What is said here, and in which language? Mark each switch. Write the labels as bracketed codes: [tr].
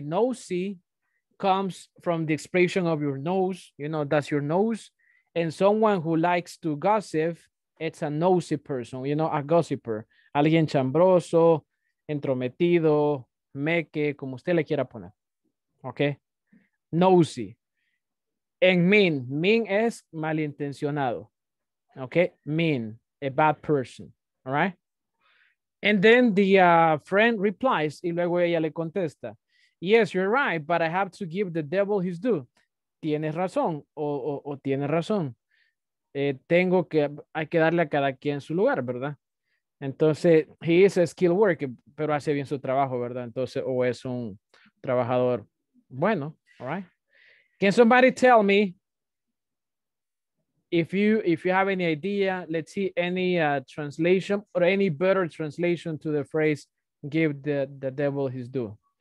[en] Nosy comes from the expression of your nose, you know, that's your nose. And someone who likes to gossip, it's a nosy person, you know, a gossiper. [es] Alguien chambroso, entrometido, meque, como usted le quiera poner. [en] Okay? Nosy. And mean. Mean es malintencionado. Okay? Mean. A bad person. All right? And then the friend replies, [es] y luego ella le contesta, [en] yes, you're right, but I have to give the devil his due. [es] Tienes razón, o tiene razón. Tengo que, hay que darle a cada quien su lugar, ¿verdad? Entonces, [en] he is a skilled worker, [es] pero hace bien su trabajo, ¿verdad? Entonces, o es un trabajador bueno, all right? [en] Can somebody tell me if you have any idea, let's see, any translation or any better translation to the phrase, give the devil his due.